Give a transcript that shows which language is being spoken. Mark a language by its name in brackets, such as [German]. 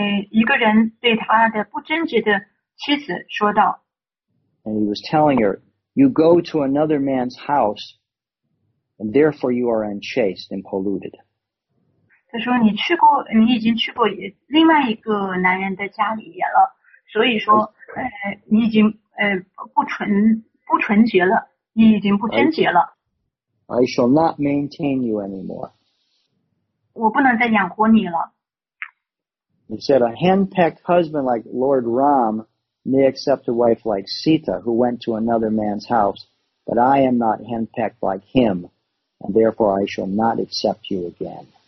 [Chinese] 一个人对他的不贞洁的妻子说道。 [English] And he was telling her, you go to another man's house, and therefore you are unchaste and polluted. [Chinese] 他说你已经去过另外一个男人的家里了，所以说你已经不纯洁了，你已经不贞洁了。 [English] I shall not maintain you anymore. [Chinese] 我不能再养活你了。 [English] He said, a henpecked husband like Lord Ram,may accept a wife like Sita, who went to another man's house, but I am not henpecked like him, and therefore I shall not accept you again.